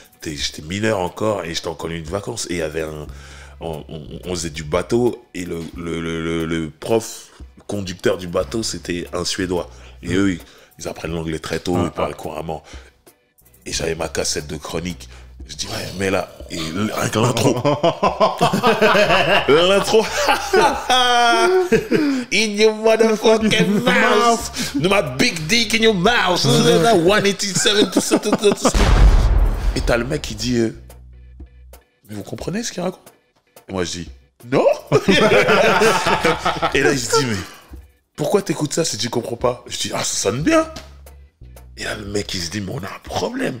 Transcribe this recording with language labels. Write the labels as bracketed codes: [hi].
[fr] J'étais mineur encore et j'étais en colonie de vacances. Et il y avait un. On faisait du bateau et le prof conducteur du bateau, c'était un Suédois. Et eux, ils apprennent l'anglais très tôt, ils parlent couramment. Et j'avais ma cassette de Chronique. Je dis, ouais, mais là, et avec l'intro. L'intro. [en] In your motherfucking mouth. No, my big dick in your mouth. 187. [fr] Et t'as le mec qui dit, mais vous comprenez ce qu'il raconte? Et moi, je dis, non. Et là, il se dit, mais pourquoi t'écoutes ça si tu comprends pas? Je dis, ah, ça sonne bien. Et là, le mec, il se dit, mais on a un problème.